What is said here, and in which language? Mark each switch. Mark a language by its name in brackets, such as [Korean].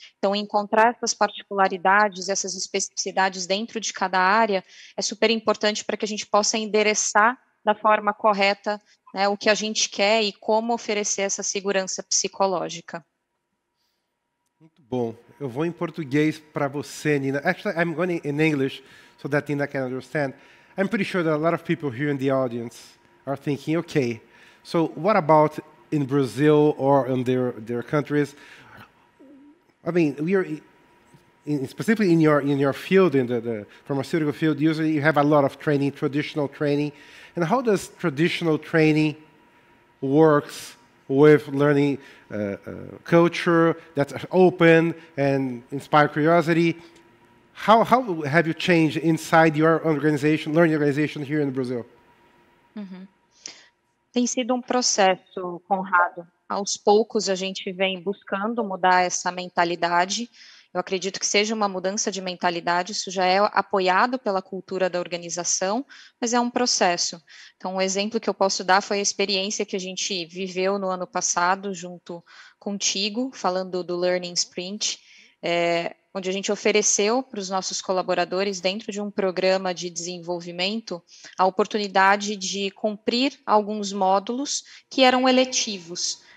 [Portuguese] Então encontrar essas particularidades, essas especificidades dentro de cada área é super importante para que a gente possa endereçar da forma correta, né, o que a gente quer e como oferecer essa segurança psicológica. Muito bom. Eu vou em português para você, Nina. [English] Actually, I'm going in English so that Nina can understand. I'm pretty sure that a lot of people here in the audience are thinking, okay, so what about in Brazil or in their countries? I mean, we are specifically in your field, in the pharmaceutical field, usually you have a lot of training, traditional training. And how does traditional training works with learning culture that's open and inspire curiosity? How have you changed inside your organization, learning organization here in Brazil? [Portuguese] Uhum. Tem sido processo, Conrado. Aos poucos a gente vem buscando mudar essa mentalidade. Eu acredito que seja uma mudança de mentalidade, isso já é apoiado pela cultura da organização, mas é um processo. Então, um exemplo que eu posso dar foi a experiência que a gente viveu no ano passado, junto contigo, falando do Learning Sprint, onde a gente ofereceu para os nossos colaboradores, dentro de um programa de desenvolvimento, a oportunidade de cumprir alguns módulos que eram eletivos.